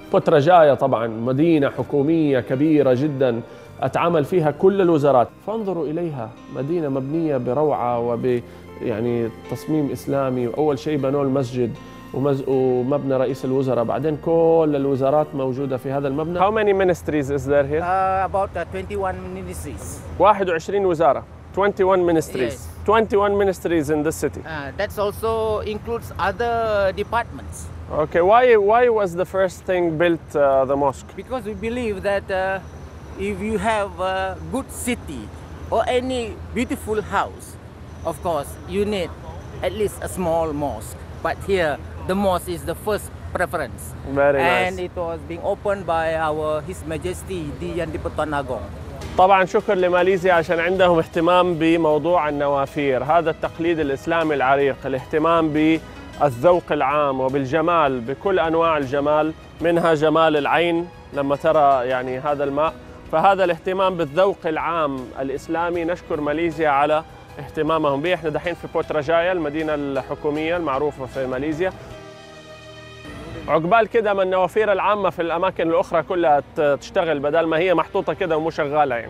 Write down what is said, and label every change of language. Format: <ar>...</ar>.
<ar>بوترجايا طبعا مدينة حكومية كبيرة جدا اتعمل فيها كل الوزارات، فانظروا اليها، مدينة مبنية بروعة وب يعني تصميم اسلامي. اول شيء بنوا المسجد ومبنى رئيس الوزراء، بعدين كل الوزارات موجودة في هذا المبنى.</ar> <en>How many ministries is there here? About 21 ministries. 21</en> <ar>وزارة.</ar> <en>21 ministries. Yes. 21 ministries in this city. That also includes other departments. Okay, why was the first thing built the mosque? Because we believe that if you have a good city or any beautiful house, of course you need at least a small mosque. But here the mosque is the first preference. Very nice. And it was being opened by our His Majesty the Yang Di-Pertuan Agong.</en> <ar>طبعا شكر لماليزيا عشان عندهم اهتمام بموضوع النوافير، هذا التقليد الإسلامي العريق، الاهتمام ب الذوق العام وبالجمال، بكل أنواع الجمال، منها جمال العين لما ترى يعني هذا الماء. فهذا الاهتمام بالذوق العام الإسلامي، نشكر ماليزيا على اهتمامهم به. احنا دحين في بوترجايا المدينة الحكومية المعروفة في ماليزيا، عقبال كده من النوافير العامة في الأماكن الأخرى كلها تشتغل بدل ما هي محطوطة كده ومو شغالة.</ar>